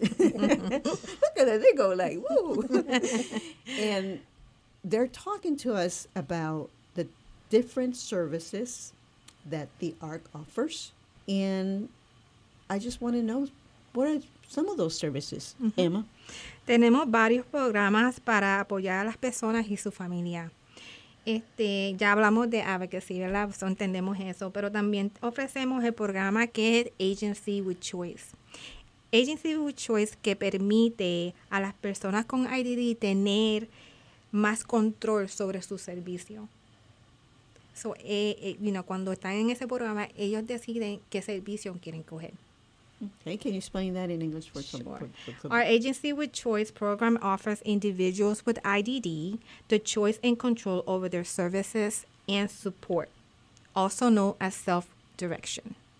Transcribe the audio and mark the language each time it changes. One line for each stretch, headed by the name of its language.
English: Look at that, they go like, woo! And they're talking to us about the different services that the ARC offers, and I just want to know, what are some of those services, Emma?
Spanish: Tenemos varios programas para apoyar a las personas y su familia. Ya hablamos de advocacy, ¿verdad? So entendemos eso, pero también ofrecemos el programa que es Agency with Choice. Agency with Choice que permite a las personas con IDD tener más control sobre su servicio. So, cuando están en ese programa, ellos deciden qué servicio quieren coger.
English: Okay, can you explain that in English for some? Sure. Our Agency with Choice program offers individuals with IDD the choice and control over their services and support, also known as self-direction.